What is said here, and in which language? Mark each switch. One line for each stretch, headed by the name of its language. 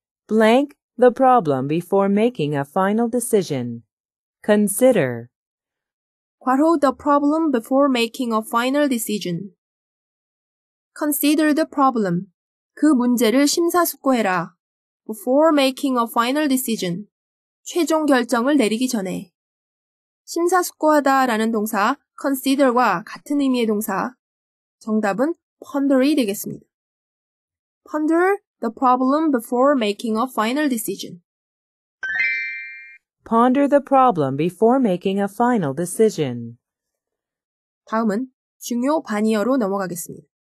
English: Blank the problem before making a final decision. Consider. 괄호 the problem before making a final decision. Consider the problem.
Korean: 그 문제를 심사숙고해라.
English: Before making a final decision.
Korean: 최종 결정을 내리기 전에. 심사숙고하다 라는 동사 consider과 같은 의미의 동사 정답은 ponder이 되겠습니다.
English: Ponder the problem before making a final decision. Ponder the problem before making a final decision.
Korean: 다음은 중요 반의어로 넘어가겠습니다.